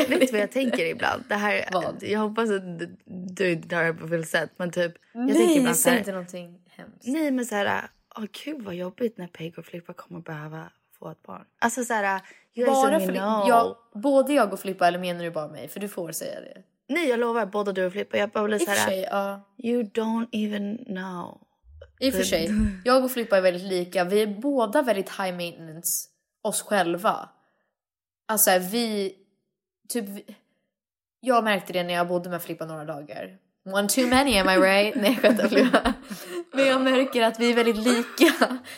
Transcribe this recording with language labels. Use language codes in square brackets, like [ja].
[sv] inte. Vet vad jag tänker ibland? Det här, vad? Jag hoppas att du inte tar det på fel sätt. Men typ, jag nej, tänker ibland, inte någonting hemskt. Nej, men såhär, åh gud vad jobbigt när Peg och Flippa kommer behöva få ett barn. Alltså såhär, [en] you guys don't know. [sv] Både jag och Flippa, eller menar du bara mig? För du får säga det. Nej, jag lovar, både du och Flippa. Jag bara blir såhär, [en] you don't even know. [sv] I och för sig, jag och Flippa är väldigt lika. Vi är båda väldigt [en] high maintenance [sv] oss själva. Alltså vi typ, jag märkte det när jag bodde med Flippa några dagar. [en] One too many, am I right? [sv] Nej, skönta Flippa. Men jag märker att vi är väldigt lika.